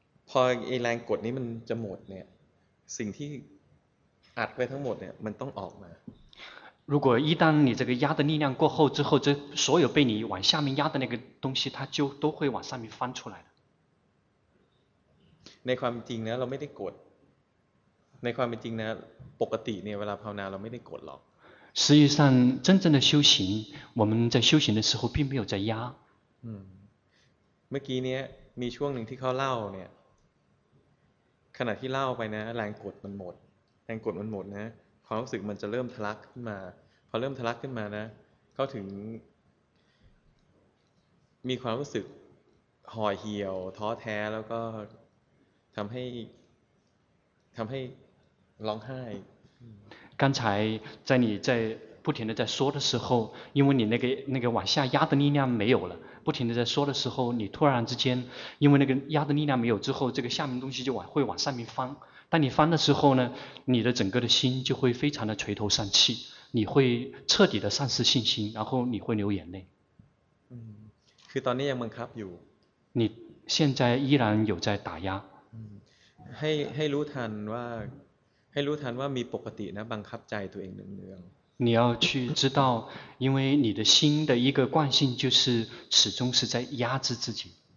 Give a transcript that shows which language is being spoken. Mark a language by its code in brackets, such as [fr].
[th] พอไอ้แรงกดนี้มันจะหมดเนี่ยสิ่งที่อัดไว้ทั้งหมดเนี่ยมันต้องออกมา [zh] 如果一旦你这个压的力量过后之后这所有被你往下面压的那个东西它就都会往上面翻出来的 [th] ในความจริงนะเราไม่ได้กดในความจริงนะปกติเนี่ยเวลาภาวนาเราไม่ได้กดหรอก [zh] 实际上真正的修行我们在修行的时候并没有在压 [th] เมื่อกี้เนี่ยมีช่วงหนึ่งที่เขาเล่าเนี่ยขณะที่เล่าไปนะแรงกดมันหมดนะความรู้สึกมันจะเริ่มทะลักขึ้นมาพอเริ่มทะลักขึ้นมานะเขาถึงมีความรู้สึกห่อเหี่ยวท้อแท้แล้วก็ทำให้ ทำให้ร้องไห้ [zh] 刚才在你在不停的在说的时候因为你那个往下压的力量没有了不停的在说的时候你突然之间因为那个压的力量没有之后这个下面东西就会往上面翻当你翻的时候呢你的整个的心就会非常的垂头丧气你会彻底的丧失信心然后你会流眼泪 [th] คือตอนนี้ยังบังคับอยู่ [zh] 你现在依然有在打压 [th] ให้รู้ทันว่าให้รู้ทันว่ามีปกตินะบังคับใจตัวเองเนือง [zh] 你要去知道因为你的心的一个惯性就是始终是在压制自己